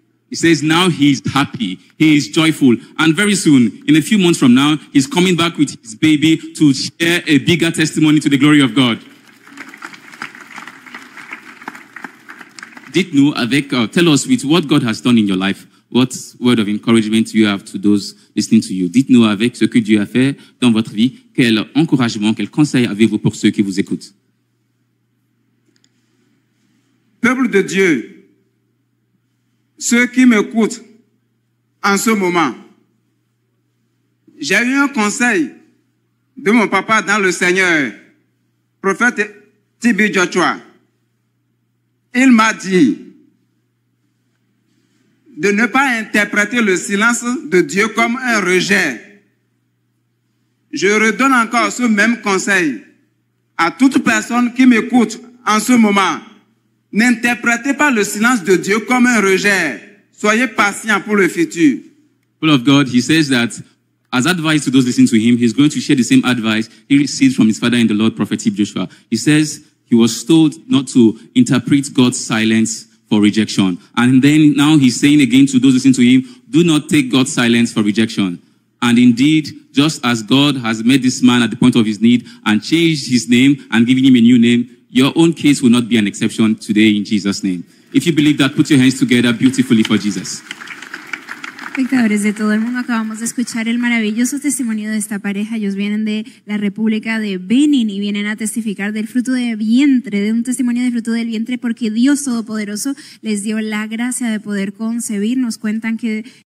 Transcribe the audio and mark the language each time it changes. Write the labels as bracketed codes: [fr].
[en] He says now he's happy, he is joyful, and very soon, in a few months from now, he's coming back with his baby to share a bigger testimony to the glory of God. [fr] Dites-nous avec, [en] tell us with what God has done in your life, what word of encouragement you have to those listening to you. [fr] Dites-nous avec ce que Dieu a fait dans votre vie, quel encouragement, quel conseil avez-vous pour ceux qui vous écoutent? Peuple de Dieu, ceux qui m'écoutent en ce moment, j'ai eu un conseil de mon papa dans le Seigneur, prophète Tibi Joshua. Il m'a dit de ne pas interpréter le silence de Dieu comme un rejet. Je redonne encore ce même conseil à toute personne qui m'écoute en ce moment. N'interprétez pas le silence de Dieu comme un rejet. Soyez patient pour le futur. [en] Full of God, he says that as advice to those listening to him, he's going to share the same advice he received from his father in the Lord, Prophet Joshua. He says, he was told not to interpret God's silence for rejection. And then now he's saying again to those listening to him, do not take God's silence for rejection. And indeed, just as God has met this man at the point of his need and changed his name and given him a new name, your own case will not be an exception today in Jesus' name. If you believe that, put your hands together beautifully for Jesus. [es] Espectadores de todo el mundo, acabamos de escuchar el maravilloso testimonio de esta pareja. Ellos vienen de la República de Benin y vienen a testificar del fruto del vientre, de un testimonio del fruto del vientre, porque Dios Todopoderoso les dio la gracia de poder concebir. Nos cuentan que...